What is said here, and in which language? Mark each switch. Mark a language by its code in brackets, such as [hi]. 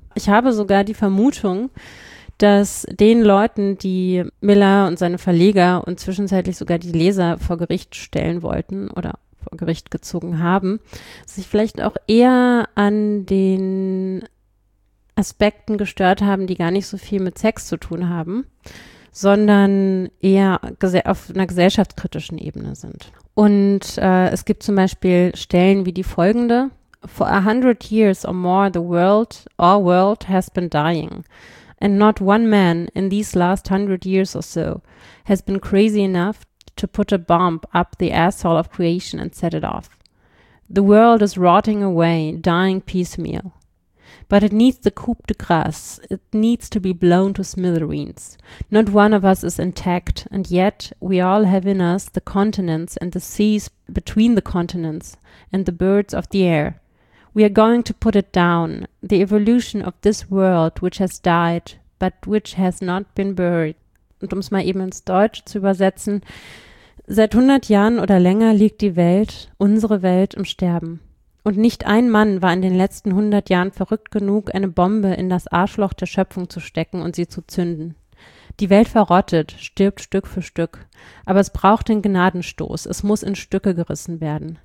[de] Ich habe sogar die Vermutung, dass den Leuten, die Miller und seine Verleger und zwischenzeitlich sogar die Leser vor Gericht stellen wollten oder vor Gericht gezogen haben, sich vielleicht auch eher an den Aspekten gestört haben, die gar nicht so viel mit Sex zu tun haben, sondern eher auf einer gesellschaftskritischen Ebene sind. Und es gibt zum Beispiel Stellen wie die folgende. [en] For 100 years or more, the world, our world has been dying. And not one man in these last 100 years or so has been crazy enough to put a bomb up the asshole of creation and set it off. The world is rotting away, dying piecemeal. But it needs the coup de grâce. It needs to be blown to smithereens. Not one of us is intact, and yet we all have in us the continents and the seas between the continents and the birds of the air. We are going to put it down, the evolution of this world, which has died, but which has not been buried. [de] Und um es mal eben ins Deutsche zu übersetzen, seit 100 Jahren oder länger liegt die Welt, unsere Welt, im Sterben. Und nicht ein Mann war in den letzten 100 Jahren verrückt genug, eine Bombe in das Arschloch der Schöpfung zu stecken und sie zu zünden. Die Welt verrottet, stirbt Stück für Stück. Aber es braucht den Gnadenstoß, es muss in Stücke gerissen werden.